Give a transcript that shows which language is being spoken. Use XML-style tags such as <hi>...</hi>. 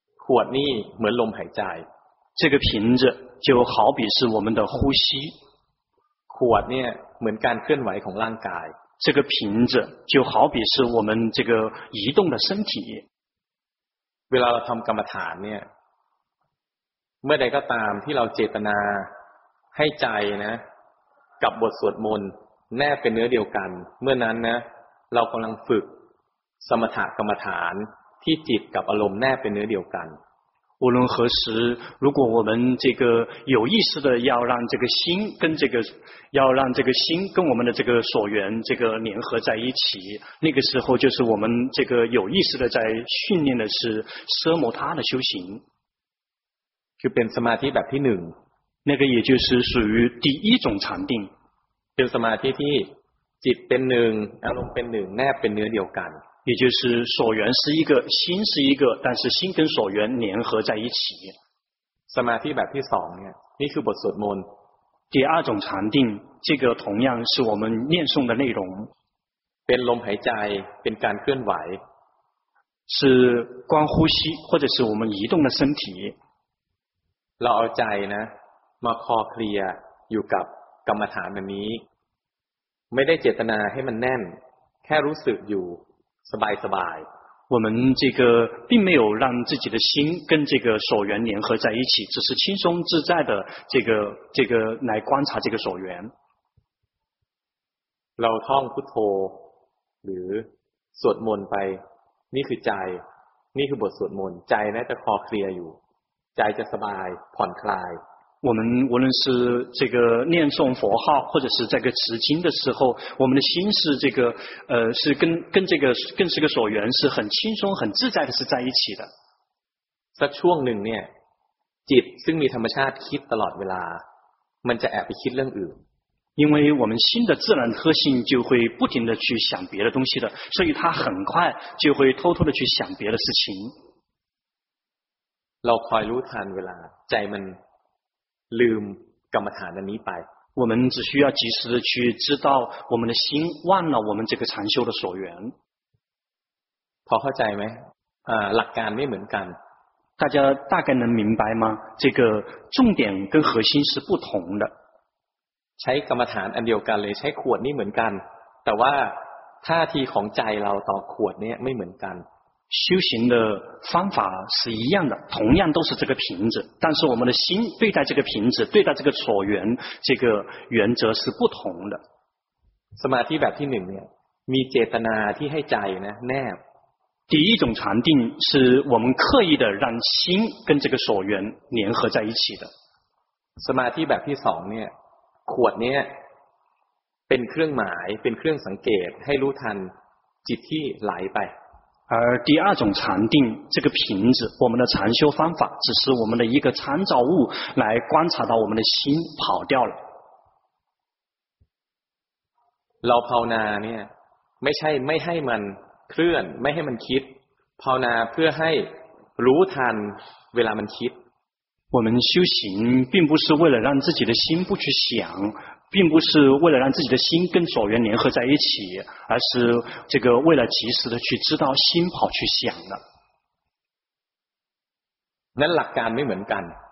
<th>ขวดนี่เหมือนลมหายใจ</th> <zh>这个瓶子就好比是我们的呼吸</zh> <th>ขวดเนี่ยเหมือนการเคลื่อนไหวของร่างกาย</th> <zh>这个瓶子就好比是我们这个移动的身体</zh> <th>เวลาเราทำกรรมฐานเนี่ยเมื่อใดก็ตามที่เราเจตนาให้ใจนะกับบทสวดมนต์แนบเป็นเนื้อเดียวกันเมื่อนั้นนะเรากำลังฝึกสมถกรรมฐานที่จิตกับอารมณ์แนบเป็นเนื้อเดียวกัน</th> <zh>无论何时如果我们这个有意识的要让这个心跟这个要让这个心跟我们的这个所缘这个联合在一起那个时候就是我们这个有意识的在训练的是奢摩他的修行就变成</zh> <th>สมาธิแบบที่หนึ่ง</th> <zh>那个也就是属于第一种禅定</zh> <th>เป็นสมาธิที่จิตเป็นหนึ่งอารมณ์เป็นหนึ่งแนบเป็นเนื้อเดียวกัน</th> <zh>也就是所缘是一个心是一个但是心跟所缘联合在一起</zh> <th>สมาธิแบบที่สองเนี่ยนี่คือบทสวดมนต์</th> <zh>第二种禅定这个同样是我们念诵的内容</zh> <th>เป็นลมหายใจเป็นการเคลื่อนไหว</th> <zh>是观呼吸或者是我们移动的身体</zh> <th>เราเอาใจนะมาคอเคลียอยู่กับกรรมฐานแบบนี้ไม่ได้เจตนาให้มันแน่นแค่รู้สึกอยู่สบายสบาย</th> <zh>我们这个并没有让自己的心跟这个所缘联合在一起只是轻松自在的这个来观察这个所缘</zh> <th>เราท่องพุทโธหรือสวดมนต์ไปนี่คือใจนี่คือบทสวดมนต์ใจนะจะคอเคลียร์อยู่ใจจะสบายผ่อนคลาย</th> <zh>我们无论是这个念诵佛号或者是这个持经的时候我们的心是这个是跟这个跟这个所缘是很轻松很自在的是在一起的</zh> <th>สักช่วงหนึ่งเนี่ยจิตซึ่งมีธรรมชาติคิดตลอดเวลามันจะแอบไปคิดเรื่องอื่น</th> <zh>因为我们心的自然特性就会不停的去想别的东西的所以它很快就会偷偷的去想别的事情</zh> <th>เราคอยรู้ทันเวลาใจมันลืมกรรมฐานอันนี้ไป</th> <zh>我们只需要及时的去知道我们的心忘了我们这个禅修的所缘</zh> <th>พอเข้าใจไหมหลักการไม่เหมือนกัน</th> <zh>大家大概能明白吗这个重点跟核心是不同的</zh> <th>ใช้กรรมฐานอันเดียวกันเลยใช้ขวดนี่เหมือนกันแต่ว่าท่าทีของใจเราต่อขวดนี้ไม่เหมือนกัน</th> <zh>修行的方法是一样的同样都是这个瓶子但是我们的心对待这个瓶子对待这个所缘这个原则是不同的</zh> <th>สมาธิแบบที่หนึ่งเนี่ยมีเจตนาที่ให้ใจนะแนบ</th> <zh>第一种禅定是我们刻意的让心跟这个所缘联合在一起的</zh> <th>สมาธิแบบที่สองเนี่ยขวดเนี่ย ป็นเครื่องหมายเป็นเครื่องสังเกตให้รู้ทันจิตที่ไหลไป</th> <zh>而第二种禅定这个瓶子我们的禅修方法只是我们的一个参照物来观察到我们的心跑掉了</zh> <th>เราภาวนาเนี่ยไม่ใช่ไม่ให้มันเคลื่อนไม่ให้มันคิดภาวนาเพื่อให้รู้ทันเวลามันคิด</th> <zh>我们修行并不是为了让自己的心不去想并不是为了让自己的心跟所缘联合在一起而是这个为了及时的去知道心跑去想的</zh> <th>นั้นหลักการไม่เหมือนกัน</th>